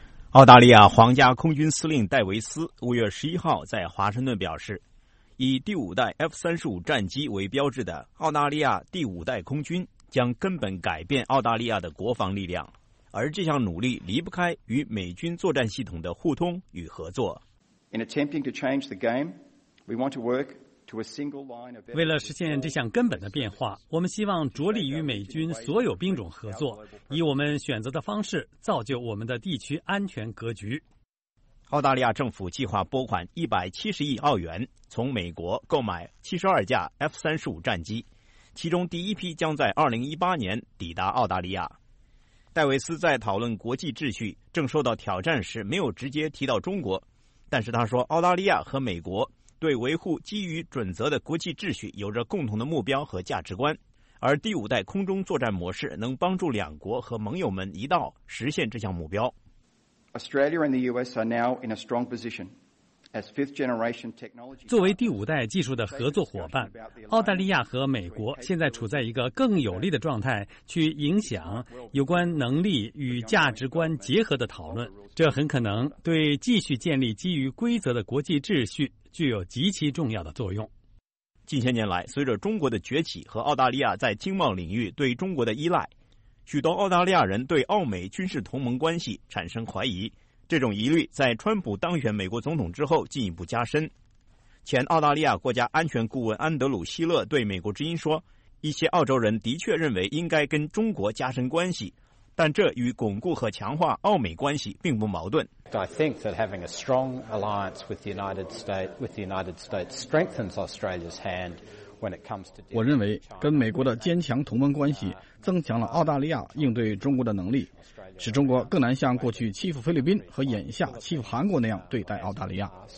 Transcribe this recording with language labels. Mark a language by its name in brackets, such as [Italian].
[Chinese] 澳大利亚皇家空军司令戴维斯5月11号在华盛顿表示，以第五代 F-35 战机为标志的澳大利亚第五代空军将根本改变澳大利亚的国防力量，而这项努力离不开与美军作战系统的互通与合作。 [English] In attempting to change the game, we want to work. [Chinese] 为了实现这项根本的变化，我们希望着力与美军所有兵种合作，以我们选择的方式造就我们的地区安全格局。澳大利亚政府计划拨款170亿澳元从美国购买72架 F-35 战机，其中第一批将在2018年抵达澳大利亚。戴维斯在讨论国际秩序正受到挑战时没有直接提到中国，但是他说澳大利亚和美国对维护基于准则的国际秩序有着共同的目标和价值观，而第五代空中作战模式能帮助两国和盟友们一道实现这项目标。 [English] Australia and the US are now in a strong position. [Chinese] 作为第五代技术的合作伙伴，澳大利亚和美国现在处在一个更有利的状态去影响有关能力与价值观结合的讨论，这很可能对继续建立基于规则的国际秩序具有极其重要的作用。近些年来，随着中国的崛起和澳大利亚在经贸领域对中国的依赖，许多澳大利亚人对澳美军事同盟关系产生怀疑，这种疑虑在川普当选美国总统之后进一步加深。前澳大利亚国家安全顾问安德鲁·希勒对美国之音说，一些澳洲人的确认为应该跟中国加深关系，但这与巩固和强化澳美关系并不矛盾。 [English] I think that having a strong alliance with the United States strengthens Australia's hand. [Chinese] 我认为跟美国的坚强同盟关系增强了澳大利亚应对中国的能力，使中国更难像过去欺负菲律宾和眼下欺负韩国那样对待澳大利亚。